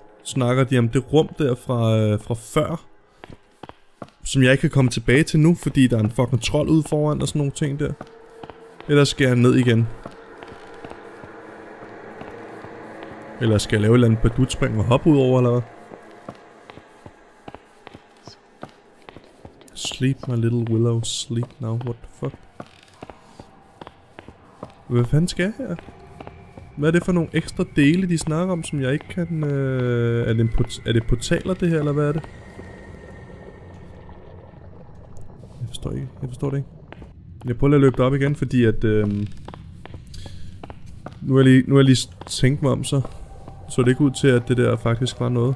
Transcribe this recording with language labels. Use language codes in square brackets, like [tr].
[da] Snakker de om det rum der fra før? Som jeg ikke kan komme tilbage til nu, fordi der er en fucking trold ude foran og sådan nogle ting der. Eller skal jeg ned igen? Eller skal jeg lave et eller andet badutspring og hoppe ud over, eller hvad? [en] Sleep my little willow, sleep now, what the fuck? [da] Hvad fanden skal jeg her? Hvad er det for nogle ekstra dele, de snakker om, som jeg ikke kan... Er det portaler det her, eller hvad er det? Jeg forstår det ikke. Jeg prøver at løbe op igen, fordi at nu er jeg lige tænkt mig om, så det ikke ud til, at det der faktisk var noget.